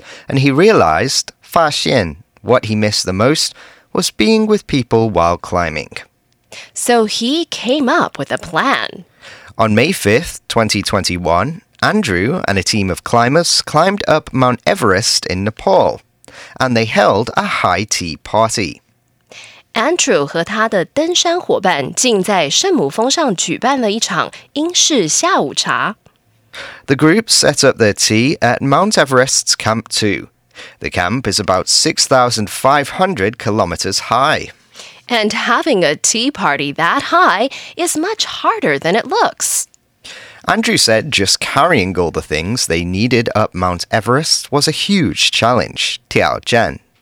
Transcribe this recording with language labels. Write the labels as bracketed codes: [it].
[en] And he realized, [zh] 发现, [en] what he missed the most was being with people while climbing. So he came up with a plan. On May 5th, 2021, Andrew and a team of climbers climbed up Mount Everest in Nepal, and they held a high tea party. [zh] Andrew 和他的登山伙伴竟在圣母峰上举办了一场英式下午茶。 [en] The group set up their tea at Mount Everest's Camp 2. The camp is about 6,500 kilometers high. And having a tea party that high is much harder than it looks. Andrew said just carrying all the things they needed up Mount Everest was a huge challenge, [zh] 挑战.